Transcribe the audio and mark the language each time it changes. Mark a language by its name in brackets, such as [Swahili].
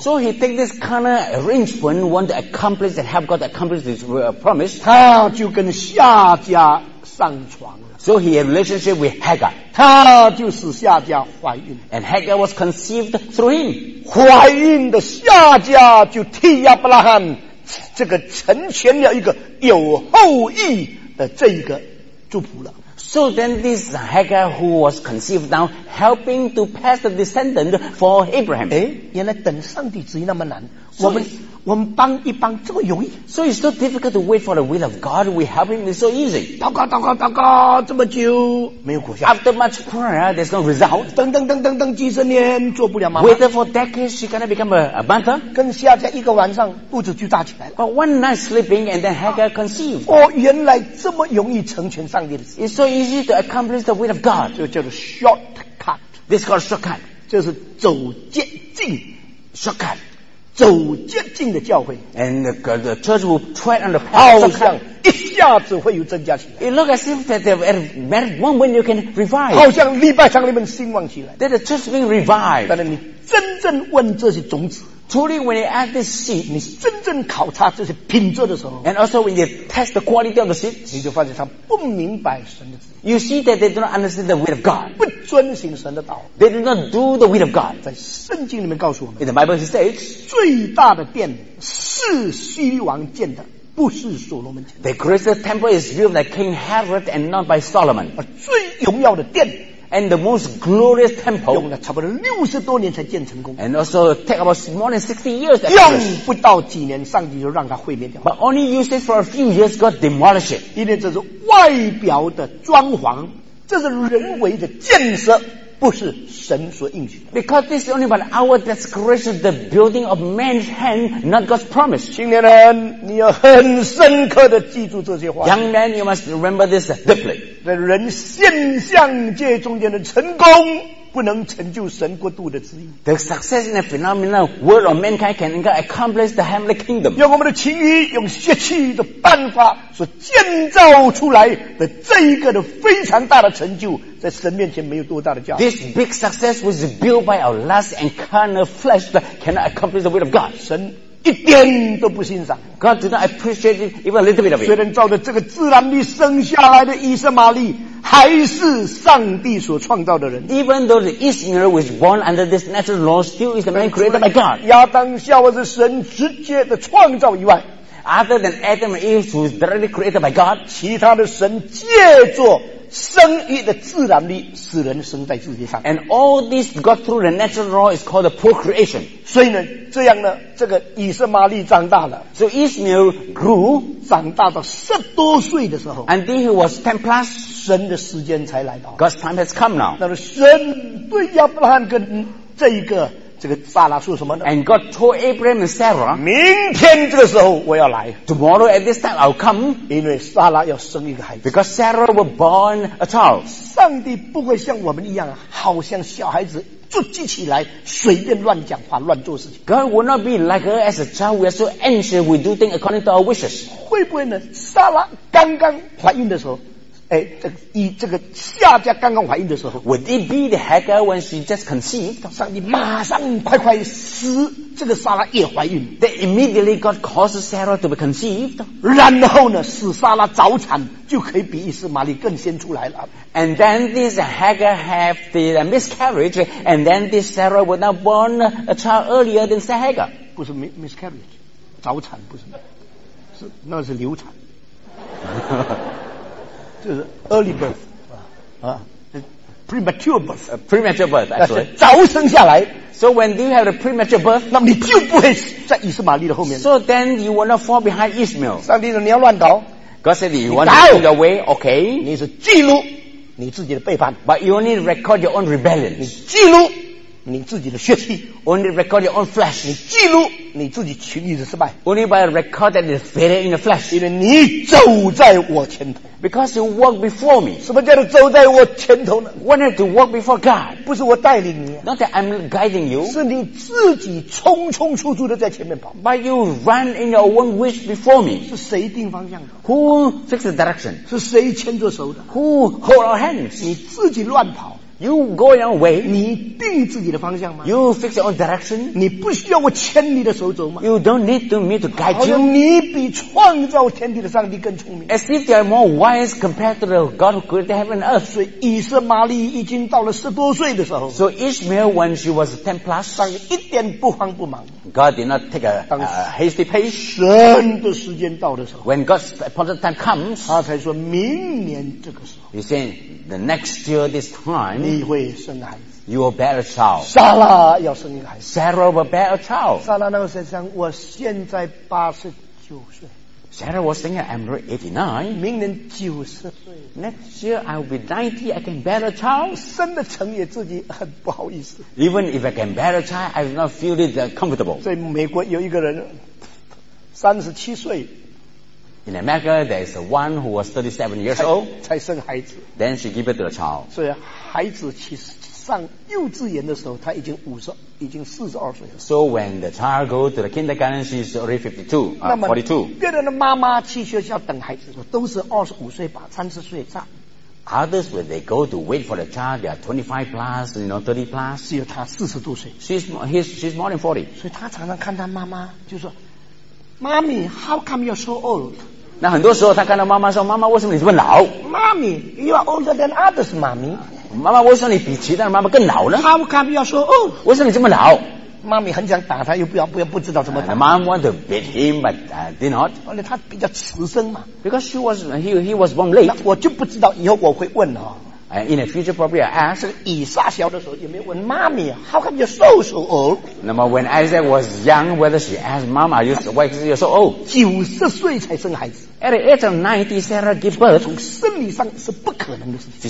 [English] ，So he take this kind of arrangement, want to accomplish and help God accomplish this promise. [Chinese] 他就跟夏家上床。 [English] So he had a relationship with Hagar. [Chinese] 他就使夏家怀孕。 [English] And Hagar was conceived through him. [Chinese] 怀孕的夏家就替亚伯拉罕这个成全了一个有后裔的这一个族谱了。 [English] So then this Hagar who was conceived now helping to pass the descendant for Abraham. [Chinese] 诶，原来等上帝旨意那么难。我们帮一帮这么容易 [English] ？So it's so difficult to wait for the will of God. We help him is so easy. [Chinese] 祷告祷告祷告这么久没有果效。 [English] After much prayer, there's no result. [Chinese] 等等等等等几十年做不了吗 [English] ？Waited for decades, she cannot become a mother. [Chinese] 跟夏家一个晚上肚子就大起来了。 [English] But one night sleeping and then Hagar conceived. [Chinese] 哦，原来这么容易成全上帝的事。 [English] It's so easy to accomplish the will of God. [Chinese] 就叫做 shortcut. [English] This is called shortcut. [Chinese] 就是走捷径 [English] shortcut. [Chinese] 走捷径的教会 [English] and the church will tread on the path [Chinese] 好像一下子会有增加起来 [English] it looks as if that at a moment you can revive [Chinese] 好像礼拜堂里面兴旺起来 [English] that the church will revive [Chinese] 但是你真正问这些种子 [English] truly when you add this seed [Chinese] 你真正考察这些品质的时候 [English] and also when you test the quality of the seed [Chinese] 你就发现他不明白神的旨意 [English] you see that they do not understand the will of God [Chinese] 不遵行神的道 [English] they do not do the will of God [Chinese] 在圣经里面告诉我们 [English] in the Bible it says [Chinese] 最大的殿是西律王建的，不是所罗门建的。 [English] The greatest temple is built by King Herod and not by Solomon. [Chinese] 而最荣耀的殿 [English] and the most glorious temple [Chinese] 用了差不多六十多年才建成功。 [English] And also take about more than 60 years. [Chinese] 用不到几年，上帝就让它毁灭掉。 [English] But only used it for a few years, God demolished it. [Chinese] 因为这是外表的装潢，这是人为的建设。不是神所应许的 [English] Because this is only about our desecration The building of man's hand Not God's promise [Chinese] 青年人你要很深刻地记住这些话 [English] Young man you must remember this deeply [Chinese] 在人现象界中间的成功不能成就神国度的旨意。 [English] The success in a phenomenal world of mankind can never accomplish the heavenly kingdom. [Chinese] 用我们的情欲，用血气的办法所建造出来的这一个的非常大的成就，在神面前没有多大的价值。 [English] This big success was built by our lust and carnal flesh that cannot accomplish the will of God. [Chinese] 神一点都不欣赏。 [English] God did not appreciate even a little bit of it. [Chinese] 虽然照着这个自然力生下来的以色玛利。还是上帝所创造的人。 [English] Even though the Israel was born under this natural law, still is the man created by God. [Chinese] 亚当夏娃是神直接的创造以外 [English] ，other than Adam and Eve who was directly created by God, [Chinese] 其他的神借着生育的自然力使人生在世界上。 [English] And all this got through the natural law is called the procreation. [Chinese] 所以呢，这样呢，这个以色玛利长大了。 [English] So Israel grew, [Chinese] 长大到十多岁的时候 [English] ，and then he was 10+。 [Chinese] 神的时间才来到。 [English] God's time has come now. [Chinese] 那么神对亚伯拉罕跟这个撒拉说什么呢 [English] ？And God told Abraham and Sarah, [Chinese] 明天这个时候我要来。 [English] Tomorrow at this time I'll come. [Chinese] 因为撒拉要生一个孩子。 [English] Because Sarah was born a child. [Chinese] 上帝不会像我们一样，好像小孩子筑基起来，随便乱讲话、乱做事情。 [English] God will not be like her as a child. We are so anxious. We do things according to our wishes. [Chinese] 会不会呢？撒拉刚刚怀孕的时候。这个夏家刚刚怀孕的时候 [English] Would it be the Hagar when she just conceived? [Chinese] 上帝马上快快使这个撒拉也怀孕 [English] Then immediately God caused Sarah to be conceived [Chinese] 然后呢使撒拉早产就可以比以斯玛利更先出来了 [English] And then this Hagar have the miscarriage And then this Sarah would now born a child earlier than Hagar [Chinese] 不是 [English] miscarriage [Chinese] 早产不是那是流产就是 [English] early birth, premature birth, premature birth, actually. [Chinese] 早生下来。 [English] So when you have a premature birth, [Chinese] 那你就不会在以斯玛利的后面。 [English] So then you will not fall behind Ishmael. [Chinese] 上帝说你要乱搞。 [English] God said you want to find a way, okay. [Chinese] 你是记录你自己的背叛。 [English] But you only record your own rebellion. [Chinese] 你记录你自己的血气。 [English] Only record your own flesh. [Chinese] 你记录你自己情欲的失败。 [English] Only by a record that is failure in the flesh. [Chinese] 因为你走在我前头。 [English] Because you walk before me. [Chinese] 什么叫做走在我前头呢 [English] ？Wanted to walk before God. [Chinese] 不是我带领你。 [English] Not that I'm guiding you. [Chinese] 是你自己匆匆出出的在前面跑。 [English] But you run in your own wish before me. [Chinese] 是谁定方向的 [English] ？Who fixed the direction? [Chinese] 是谁牵着手的 [English] ？Who hold our hands? [Chinese] 你自己乱跑。 [English] You go your way. [Chinese] 你定自己的方向吗 [English] ？You fix your own direction. [Chinese] 你不需要我牵你的手走吗 [English] ？You don't need me to guide you. [Chinese] 好像你比创造天地的上帝更聪明。 [English] As if they are more wise compared to the God who created heaven and earth. [Chinese] 所以以色玛利已经到了十多岁的时候。 [English] So Ishmael, when she was 10+, [Chinese] 上帝一点不慌不忙。 [English] God did not take a hasty pace. [Chinese] 神的时间到的时候。 [English] When God's appointed time comes, [Chinese] 他才说明年这个时候。 [English] He said the next year this time. [Chinese] 你会生孩子 [English] You will bear a child [Chinese] 撒拉要生一个孩子 [English] Sarah will bear a child [Chinese] 撒拉那个时候想我现在89岁 [English] Sarah was thinking I'm 89 [Chinese] 明年90岁 [English] Next year I will be 90 I can bear a child [Chinese] 生得成也自己很不好意思 [English] Even if I can bear a child I do not feel it comfortable [Chinese] 所以美国有一个人37岁 [English] In America, there is one who was 37 years old. [Chinese] 才生孩子。 [English] Then she gave it to a child. [Chinese] 所以孩子去上幼稚园的时候，他已经42岁了。 [English] So when the child goes to the kindergarten, she is already 42. [Chinese] 那么别人的妈妈去学校等孩子，都是25岁吧，30岁上。 [English] Others, when they go to wait for the child, they are 25 plus, you know, 30 plus. [Chinese] 只有他40多岁。 [English] She's more than 40. [Chinese] 所以他常常看他妈妈，就说。 [English] Mommy, how come you're so old? [Chinese] 那很多时候他看到妈妈说妈妈为什么你这么老 [English] Mommy, you are older than others, mommy. [Chinese] 妈妈为什么你比其他的妈妈更老呢 [English] How come you're so old? [Chinese] 为什么你这么老 Mommy 很想打他又不要不知道怎么打 [English] The mom wanted to beat him, but did not. [Chinese] 因为他比较迟生嘛 [English] Because he was born late. [Chinese] 我就不知道以后我会问哦。 [English] In the future, probably I ask. [Chinese] 是以撒小的时候，有没有问妈咪 ， [English] How come you're so so old? [Chinese] 那么 [English] ，when Isaac was young, whether she asked, "Mama, why are you so old?" [Chinese] 九十岁才生孩子。 [English] At the age of 90, Sarah gave birth. [Chinese] 从生理上是不可能的事情。